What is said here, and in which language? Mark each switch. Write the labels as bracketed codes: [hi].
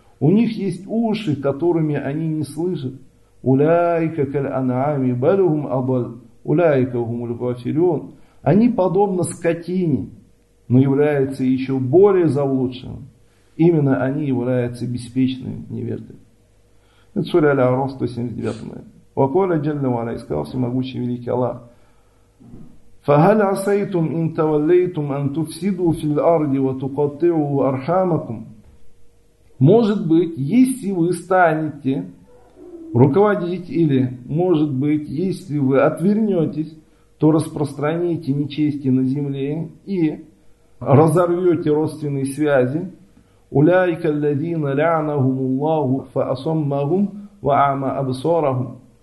[ru] У них есть уши, которыми они не слышат. [ar] أُولَٰئِكَ كَالْأَنْعَامِ بَلْ هُمْ أَضَلُّ أُولَٰئِكَ هُمُ الْغَافِلُونَ. [ru] Они подобны скотине, но являются еще более заблудшими. Именно они являются беспечными невеждами. Это сура Аль-Араф 179. И сказал всемогущий великий Аллах: [ar] فَهَلْ عَسَيْتُمْ إِن تَوَلَّيْتُمْ أَن تُفْسِدُوا فِي الْأَرْضِ وَتُقَطِّعُوا أَرْحَامَكُمْ. [ru] Может быть, если вы станете руководить, или может быть, если вы отвернетесь, то распространите нечестие на земле и разорвете родственные связи. [ar] أُولَٰئِكَ الَّذِينَ لَعَنَهُمُ اللَّهُ فَأَصَمَّهُمْ وَأَعْمَى أَبْصَارَهُمْ.